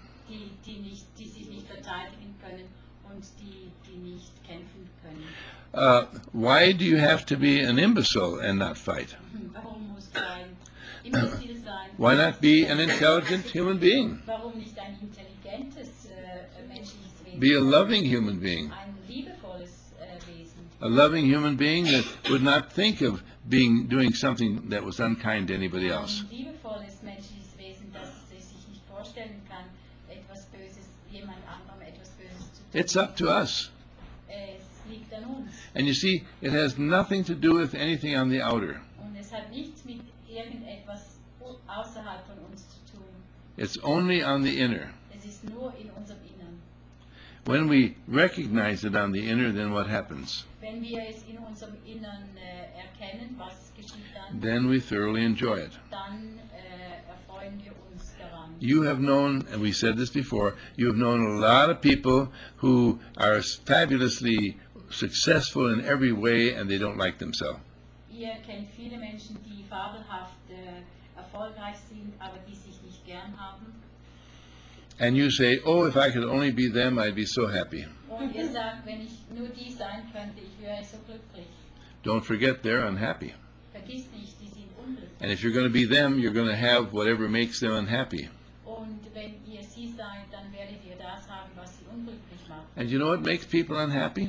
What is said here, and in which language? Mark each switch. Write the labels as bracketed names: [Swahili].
[German] Die sich nicht verteidigen können und die nicht kämpfen können. [English] Why do you have to be an imbecile and not fight? [German] Warum muss ein Imbecil sein? [English] Why not be an intelligent human being? [German] Warum nicht ein intelligentes menschliches Wesen? [English] Be a loving human being. [German] Ein liebevolles Wesen. [English] A loving human being that would not think of doing something that was unkind to anybody else. [German] Ein liebevolles menschliches Wesen, das sich nicht vorstellen kann, etwas Böses, jemand anderem etwas Böses zu tun. [English] It's up to us. [German] Liegt an uns. [English] And you see, it has nothing to do with anything on the outer. [German] Und es hat nichts mit irgendetwas außerhalb von uns zu tun. [English] It's only on the inner. [German] Es ist nur in unserem Innern. [English] When we recognize it on the inner, then what happens? [German] Wenn wir es in unserem Innern erkennen, was geschieht dann? [English] Then we thoroughly enjoy it. [German] Dann erfreuen wir uns daran. [English] You have known, and we said this before, you have known a lot of people who are fabulously successful in every way and they don't like themselves. [German] Ihr kennt viele Menschen, die fabelhaft erfolgreich sind, aber die sich nicht gern haben. [English] And you say, oh, if I could only be them, I'd be so happy. [German] Und ihr sagt, wenn ich nur die sein könnte, ich wäre so glücklich. [English] Don't forget, they're unhappy. [German] Vergiss nicht, die sind unglücklich. [English] And if you're going to be them, you're going to have whatever makes them unhappy. [German] Und wenn ihr sie seid, dann werdet ihr das haben, was sie unglücklich macht. [English] And you know what makes people unhappy?